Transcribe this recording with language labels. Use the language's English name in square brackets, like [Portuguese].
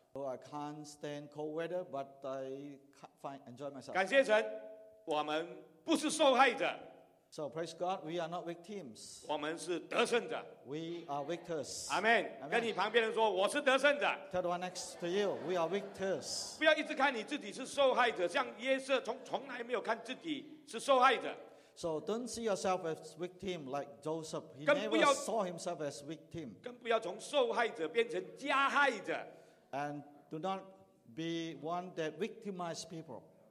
[English] So I can't stand cold weather, but I find enjoy myself. [Chinese] 感谢神，我们不是受害者。 [English] So praise God, we are not victims. [Chinese] 我们是得胜者。 [English] We are victors. Amen. [Chinese] 跟你旁边人说，我是得胜者。 [English] Tell the one next to you, we are victors. [Chinese] 不要一直看你自己是受害者，像约瑟从来没有看自己是受害者。 [English] So don't see yourself as victim like Joseph. He never saw himself as victim. [Chinese] 更不要从受害者变成加害者。 [English] And do not be one that victimizes people.